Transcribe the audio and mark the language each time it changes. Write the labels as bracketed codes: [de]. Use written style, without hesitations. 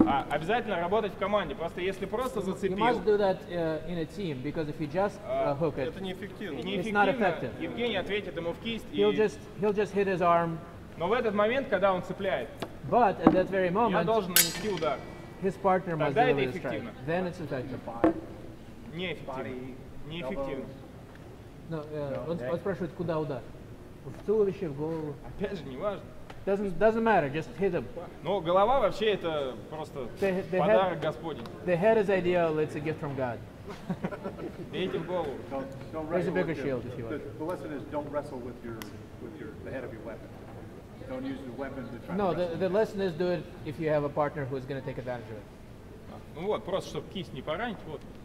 [ru] обязательно работать в команде. Просто если просто зацепил. [en] You must do that in a team, because if you just hook it, [ru] это неэффективно. [en] It's not effective. [ru] Евгений ответит ему в кисть. [en] He'll just hit his arm. [ru] Но в этот момент, когда он цепляет, [en] but at that very moment, [ru] я должен нанести удар. [en] His partner must deliver the strike. Then it's effective. [ru] Неэффективно. Неэффективно. Он спрашивает, куда удар? В туловище, в голову. Опять же, не важно. [en] Doesn't matter, just hit him. [ru] Ну, голова вообще это просто [en] the [ru] подарок [en] head, [ru] Господень. [en] The head is ideal, it's a gift from God. [ru] Бейте в голову. [en] There's a bigger shield, if you want. The lesson is don't wrestle with your the head of your weapon. Don't use the weapon to try no, to wrestle. No, the lesson is do it if you have a partner who is going to take advantage of it. [ru] Ну вот, просто чтобы кисть не поранить, вот.